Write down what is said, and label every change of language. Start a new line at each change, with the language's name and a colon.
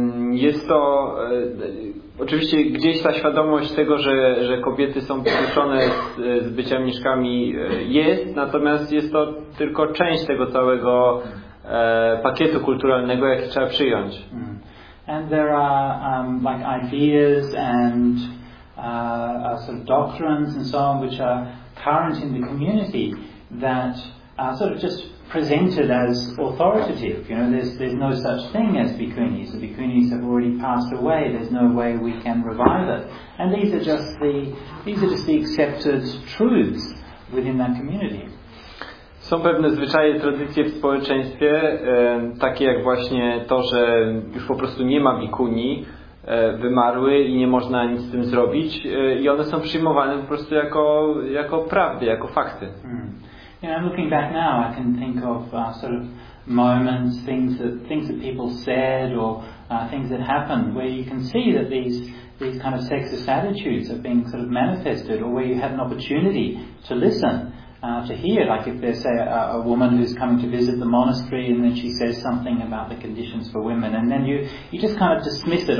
Polish: Jest to oczywiście gdzieś ta świadomość tego, że kobiety są połączone z bycia mniszkami jest, natomiast jest to tylko część tego całego pakietu kulturalnego, jaki trzeba przyjąć.
English: And there are like ideas and sort of doctrines and so on which are current in the community that are sort of just presented as authoritative. You know, there's no such thing as bikunis. The bikunis have already passed away. There's no way we can revive it. And these are just the accepted truths within that community.
Polish: Są pewne zwyczaje, tradycje w społeczeństwie, takie jak właśnie to, że już po prostu nie ma bikuni, wymarły i nie można nic z tym zrobić, i one są przyjmowane po prostu jako prawdy, jako fakty.
English: Hmm. You know, looking back now, I can think of sort of moments, things that people said or things that happened, where you can see that these kind of sexist attitudes are being sort of manifested, or where you had an opportunity to listen. To hear, like if there's say a woman who's coming to visit the monastery and then she says something about the conditions for women, and then you just kind of dismiss it.